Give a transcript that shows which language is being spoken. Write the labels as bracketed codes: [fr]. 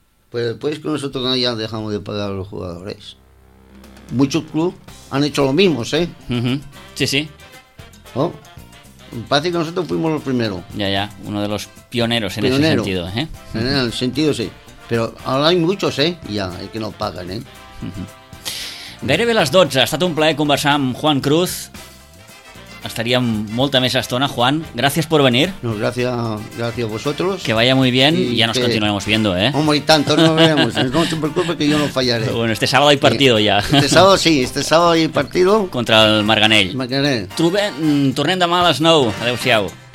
[es] Pues después que nosotros ya dejamos de pagar a los jugadores. Muchos clubes han hecho lo mismo, ¿eh? Sí, sí. Parece que nosotros fuimos los primeros. Ya, uno de los pioneros. Ese sentido, ¿eh? En el sentido, sí. Pero ahora hay muchos, ¿eh? Ya, hay que no pagan, ¿eh? [ca] Gairebé les 12, ha estat un plaer conversar amb Juan Cruz. Estaríem molta més estona, Juan. [es] Gracias por venir. No, gracias a vosotros. Que vaya muy bien y ya nos continuaremos viendo, ¿eh? Hombre, y tanto, no vemos. No te preocupes que yo no fallaré. Pero bueno, este sábado hay partido ya. Este sábado hay partido. Contra el Marganell. Marganell. [ca] Tornem demà a les 9. Adéu-siau.